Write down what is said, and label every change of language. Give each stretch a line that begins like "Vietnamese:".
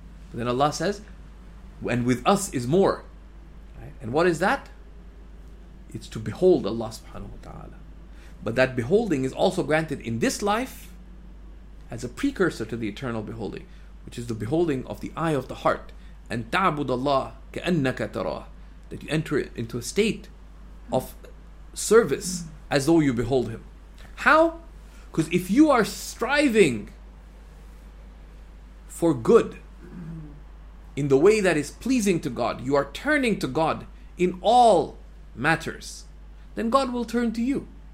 English: But then Allah says, and with us is more. Right? And what is that? It's to behold Allah subhanahu wa ta'ala. But that beholding is also granted in this life as a precursor to the eternal beholding, which is the beholding of the eye of the heart. And
Arabic: تَعْبُدَ اللَّهَ كَأَنَّكَ تَرَاهُ.
English: That you enter into a state of service as though you behold Him. How? Because if you are striving for good in the way that is pleasing to God, you are turning to God in all matters, then God will turn to you.